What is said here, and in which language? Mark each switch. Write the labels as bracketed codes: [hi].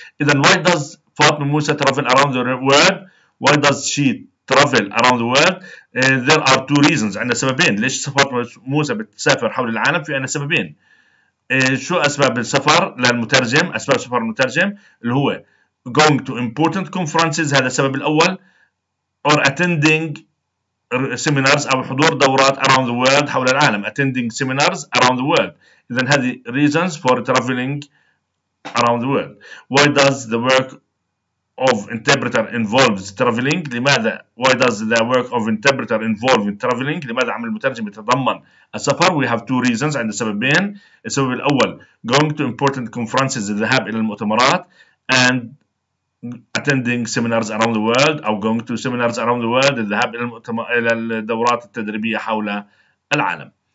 [en] إذا why does Fatma Musa travel around the world? Why does she travel around the world? There are two reasons. [ar] عندنا سببين ليش Fatma Musa بتسافر حول العالم. في عندنا سببين. شو أسباب السفر للمترجم؟ أسباب سفر المترجم اللي هو [en] going to important conferences [ar] هذا السبب الأول [en] or attending seminars [ar] أو حضور دورات [en] around the world حول العالم attending seminars around the world. [ar] إذن هذه [en] reasons for traveling around the world. Why does the work of interpreter involves traveling? لماذا why does the work of interpreter involve traveling? [ar] لماذا عمل المترجم يتضمن السفر؟ [en] We have two reasons [ar] عند سببين. [en] السبب الأول going to important conferences [ar] الذهاب إلى المؤتمرات [en] and attending seminars around the world أو going to seminars around the world [ar] الذهاب إلى إلى الدورات التدريبية حول العالم.